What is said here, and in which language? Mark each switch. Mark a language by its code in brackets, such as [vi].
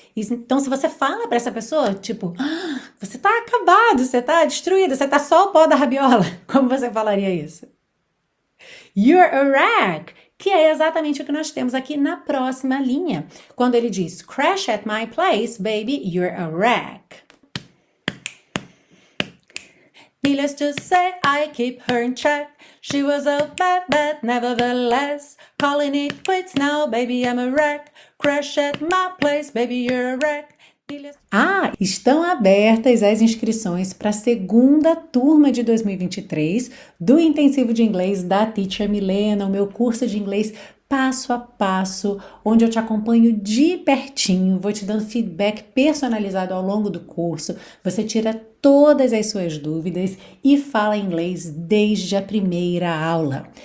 [pt] Então, se você fala para essa pessoa, tipo, ah, você tá acabado, você tá destruído, você tá só o pó da rabiola, como você falaria isso? [en] You're a wreck, [pt] que é exatamente o que nós temos aqui na próxima linha, quando ele diz: [en] Crash at my place, baby, you're a wreck. Needless to say, I keep her in check. She was a bad, bad, nevertheless. Calling it quits now, baby, I'm a wreck. Crash at my place, baby, you're a wreck. [pt] Ah, estão abertas as inscrições para a segunda turma de 2023 do Intensivo de Inglês da Teacher Milena, o meu curso de inglês passo a passo, onde eu te acompanho de pertinho, vou te dando feedback personalizado ao longo do curso, você tira todas as suas dúvidas e fala inglês desde a primeira aula.